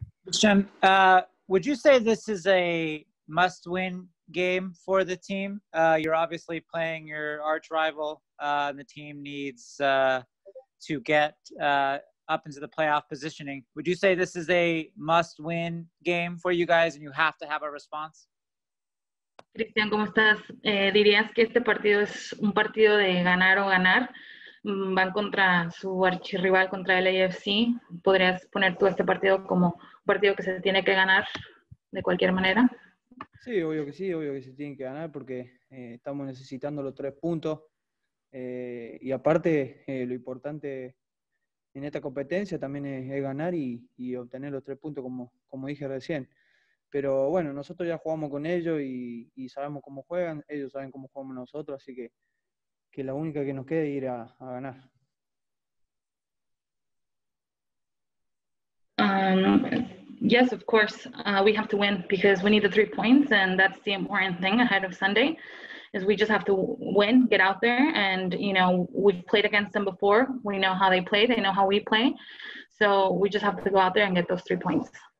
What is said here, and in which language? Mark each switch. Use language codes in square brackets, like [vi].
[en] Jim, would you say this is a must-win game for the team? You're obviously playing your arch rival, and the team needs to get up into the playoff positioning. Would you say this is a must-win game for you guys and you have to have a response? [es] Cristian, ¿cómo estás? ¿Dirías que este partido es un partido de ganar o ganar? Van contra su archirrival, contra el AFC. ¿Podrías poner tú este partido como un partido que se tiene que ganar de cualquier manera? Sí, obvio que sí, obvio que se tiene que ganar porque estamos necesitando los 3 puntos. Y aparte, lo importante en esta competencia también es ganar y obtener los 3 puntos, como dije recién. Pero bueno, nosotros ya jugamos con ellos y sabemos cómo juegan, ellos saben cómo jugamos nosotros, así que la única que nos queda es ir a ganar. [en] Yes, of course, we have to win because we need the 3 points and that's the important thing ahead of Sunday, is we just have to win, get out there, and you know, we've played against them before, we know how they play, they know how we play, so we just have to go out there and get those 3 points.